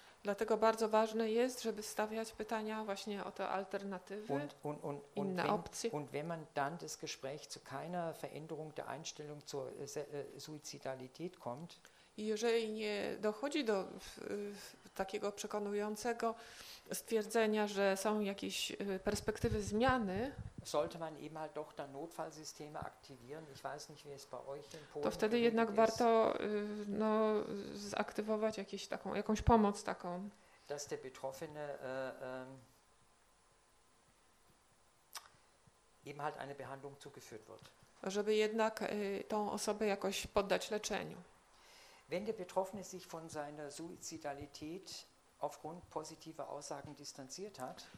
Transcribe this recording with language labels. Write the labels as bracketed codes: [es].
[pl] Dlatego bardzo ważne jest, żeby stawiać pytania właśnie o te alternatywy, inne opcje. [de] Und wenn man dann das Gespräch zu keiner Veränderung der Einstellung zur Suizidalität kommt, [pl] i jeżeli nie dochodzi do takiego przekonującego stwierdzenia, że są jakieś perspektywy zmiany, [de] sollte man eben halt doch dann Notfallsysteme aktivieren. Ich weiß nicht, wie es bei euch in Polen [pl] to wtedy jednak [de] ist. [pl] Warto no, zaktywować jakąś pomoc taką. [de] Dass der Betroffene eben halt eine Behandlung zugeführt wird. [pl] Żeby jednak tą osobę jakoś poddać leczeniu. [de] Wenn der Betroffene sich von seiner Suizidalität aufgrund positiver Aussagen distanziert hat.